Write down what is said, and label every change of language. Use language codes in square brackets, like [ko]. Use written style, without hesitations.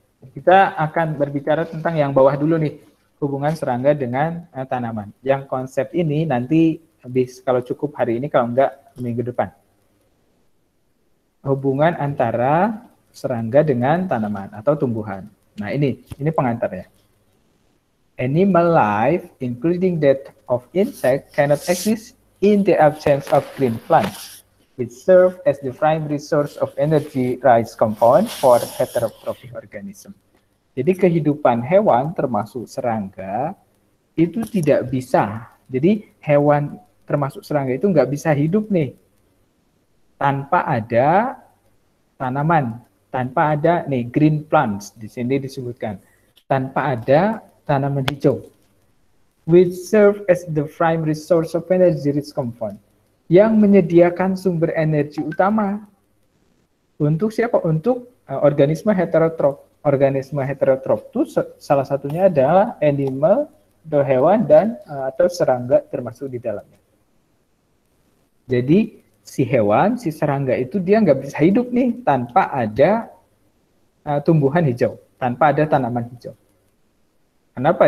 [id] Kita akan berbicara tentang yang bawah dulu nih, hubungan serangga dengan tanaman. Yang konsep ini nanti habis kalau cukup hari ini, kalau enggak minggu depan. Hubungan antara serangga dengan tanaman atau tumbuhan. Nah ini pengantarnya. [en] Animal life, including that of insect, cannot exist in the absence of green plants. It serves as the primary source of energy rich compound for heterotrophic organism. [id] Jadi kehidupan hewan termasuk serangga itu tidak bisa. Jadi hewan termasuk serangga itu nggak bisa hidup nih tanpa ada tanaman, tanpa ada nih [en] green plants [id] di sini disebutkan, tanpa ada tanaman hijau. [en] Which serve as the primary source of energy rich compound. [id] Yang menyediakan sumber energi utama untuk siapa? Untuk organisme heterotrof. Organisme heterotrof itu salah satunya adalah animal, hewan dan atau serangga termasuk di dalamnya. Jadi si hewan, si serangga itu dia nggak bisa hidup nih tanpa ada tumbuhan hijau, tanpa ada tanaman hijau. Kenapa?